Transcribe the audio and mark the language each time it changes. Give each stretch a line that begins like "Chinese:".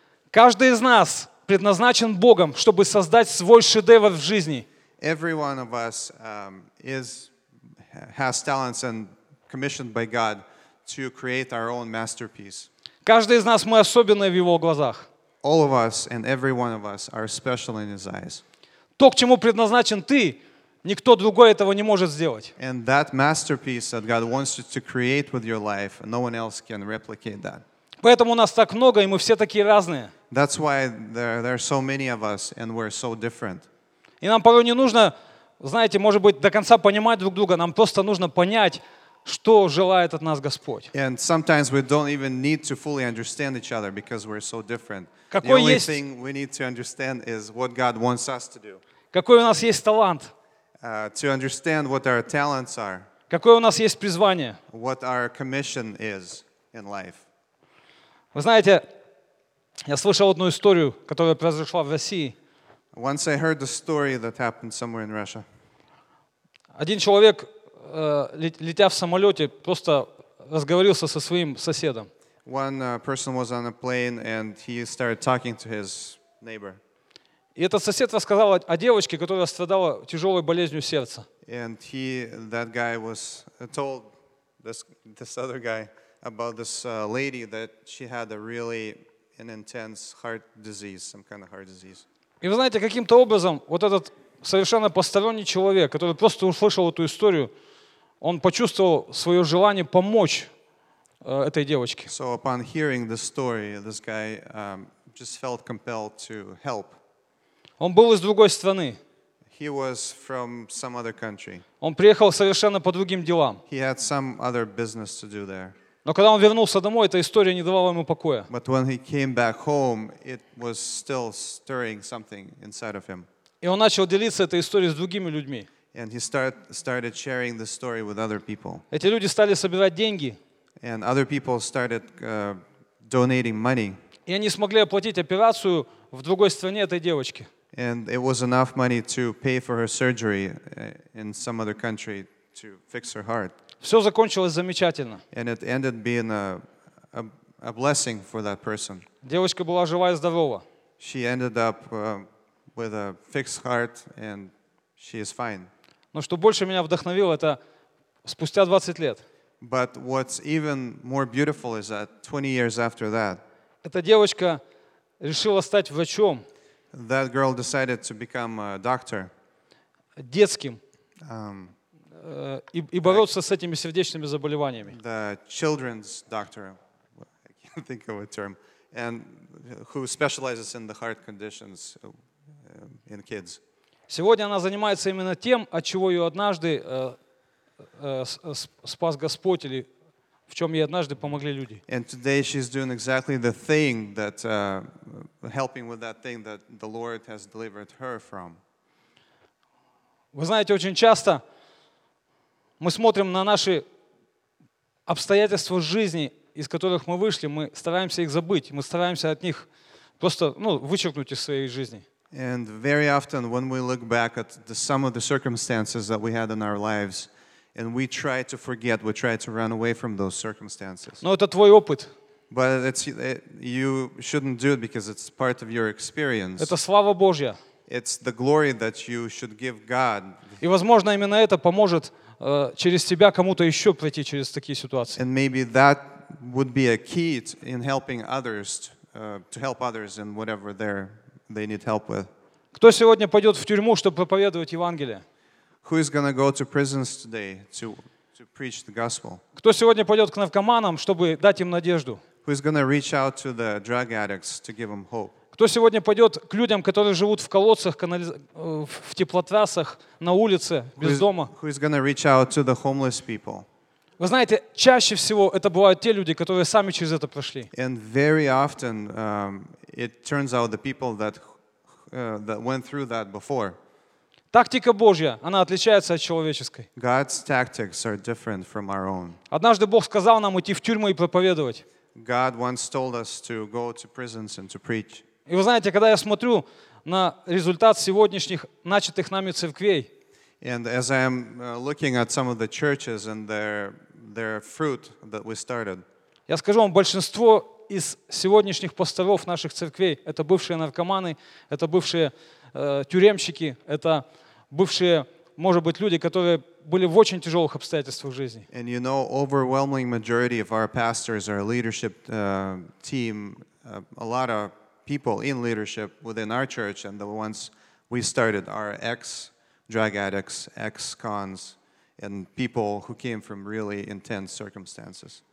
Russian: Каждый из нас предназначен Богом, чтобы создать свой шедевр в жизни.
English: Every one of us has talents and commissioned by God to create our own masterpiece.
Russian: Каждый из нас мы особенные в его глазах.
English: All of us and every one of us are special in his eyes.
Russian: То, к чему предназначен ты, никто другой этого не может сделать.
English: And that masterpiece that God wants you to create with your life, no one else can replicate that.
Russian: Поэтому нас так много, и мы все такие разные.
English: That's why there are so many of us and we're so different.
Russian: И нам порой не нужно, знаете, может быть, до конца понимать друг друга, нам просто нужно понять, что желает от нас Господь.
English: And sometimes we don't even need to fully understand each other because we're so different.
Russian: Какой
English: the only thing we need to understand is what God wants us to do.
Russian: Какой у нас есть талант?
English: To understand what our talents are.
Russian: Какое у нас есть призвание?
English: What our commission is in life.
Russian: Вы знаете, я слышал одну историю, которая произошла в России.
English: Once I heard the story that happened somewhere in Russia.
Russian: Один человек, летя в самолете, просто разговорился со своим соседом.
English: One person was on a plane and he started talking to his neighbor.
Russian: И этот сосед рассказал о девочке, которая страдала тяжелой болезнью сердца.
English: And he, that guy was told this other guy about this lady that she had a really an intense heart disease, some kind of heart disease.
Russian: И вы знаете, каким-то образом вот этот совершенно посторонний человек, который просто услышал эту историю, он почувствовал свое желание помочь этой девочке.
English: So upon hearing the story, this guy just felt compelled to help.
Russian: Он был из другой страны.
English: He was from some other country.
Russian: Он приехал совершенно по другим делам.
English: He had some other business to do there.
Russian: Но когда он вернулся домой, эта история не давала ему покоя.
English: But when he came back home, it was still stirring something inside of him.
Russian: И он начал делиться этой историей с другими людьми.
English: And he started sharing the story with other people.
Russian: Эти люди стали собирать деньги.
English: And other people started donating money.
Russian: И они смогли оплатить операцию в другой стране этой девочки.
English: And it was enough money to pay for her surgery in some other country to fix her heart.
Russian: Все закончилось замечательно.
English: And it ended being a blessing for that person.
Russian: Девочка была жива и здорова.
English: She ended up with a fixed heart and she is fine.
Russian: Но что больше меня вдохновило, это спустя 20 лет.
English: But what's even more beautiful is that 20 years after that,
Russian: эта девочка решила стать врачом.
English: That girl decided to become a doctor.
Russian: Детским. И бороться с этими сердечными заболеваниями.
English: The children's doctor. I can't think of a term. And who specializes in the heart conditions in kids.
Russian: Сегодня она занимается именно тем, от чего ее однажды спас Господь, или в чем ей однажды помогли люди.
English: And today she's doing exactly the thing that helping with that thing that the Lord has delivered her from.
Russian: Вы знаете, очень часто мы смотрим на наши обстоятельства жизни, из которых мы вышли, мы стараемся их забыть, мы стараемся от них просто, ну, вычеркнуть из своей жизни.
English: And very often when we look back at some of the circumstances that we had in our lives, and we try to forget, we try to run away from those circumstances.
Russian: Но это твой опыт.
English: But you shouldn't do it because it's part of your experience.
Russian: Это слава Божья.
English: It's the glory that you should give God.
Russian: И возможно, именно это поможет через тебя кому-то еще пройти через такие ситуации.
English: And maybe that would be a key in helping others to help others in whatever they need help with.
Russian: Кто сегодня пойдет в тюрьму, чтобы проповедовать Евангелие?
English: Who is going to go to prisons today to preach the gospel?
Russian: Кто сегодня пойдет к наркоманам, чтобы дать им надежду?
English: Who is going to reach out to the drug addicts to give them hope?
Russian: Кто сегодня пойдет к людям, которые живут в колодцах, в теплотрассах, на улице, без дома?
English: Who is going to reach out to the homeless people?
Russian: Вы знаете, чаще всего это бывают те люди, которые сами через это прошли.
English: And very often it turns out the people that went through that before.
Russian: Тактика Божья, она отличается от человеческой.
English: God's tactics are different from our own.
Russian: Однажды Бог сказал нам идти в тюрьму и проповедовать.
English: God once told us to go to prisons and to preach.
Russian: И вы знаете, когда я смотрю на результат сегодняшних начатых нами церквей,
English: and as I am looking at some of the churches and their fruit that we started,
Russian: я скажу вам, большинство из сегодняшних пасторов наших церквей — это бывшие наркоманы, это бывшие тюремщики, это бывшие, может быть, люди, которые были в очень тяжелых обстоятельствах жизни.
English: And you know, overwhelming majority of our pastors, our leadership team, a lot of people in leadership within our church and the ones we started are ex-drug addicts, ex-cons, and people who came from really intense circumstances.